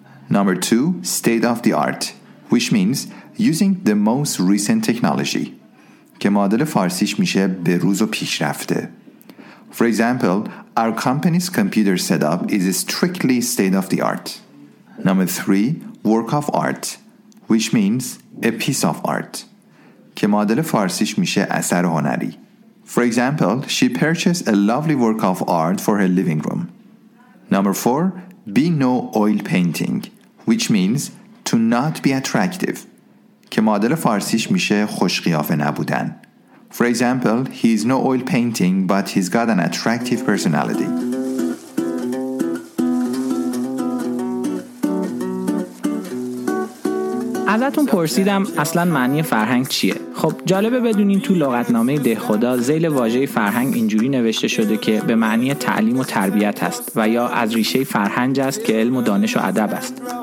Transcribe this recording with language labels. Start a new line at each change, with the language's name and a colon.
English: Number 2, state of the art, which means using the most recent technology.
Persian: که معادل فارسیش میشه به روز و پیشرفته.
English: For example, our company's computer setup is strictly state-of-the-art. Number 3, work of art, which means a piece of art.
Persian: که معادل فارسیش میشه اثر هنری.
English: For example, she purchased a lovely work of art for her living room. Number 4, be no oil painting, which means to not be attractive.
Persian: که معادل فارسیش میشه خوش قیافه نبودن.
English: For example, he is no oil painting, but he's got an attractive personality.
Persian: ازتون پرسیدم اصلا معنی فرهنگ چیه؟ خب جالبه بدونین تو لغتنامه دهخدا ذیل واژه فرهنگ اینجوری نوشته شده که به معنی تعلیم و تربیت است و یا از ریشه فرهنگ است که علم و دانش و ادب است.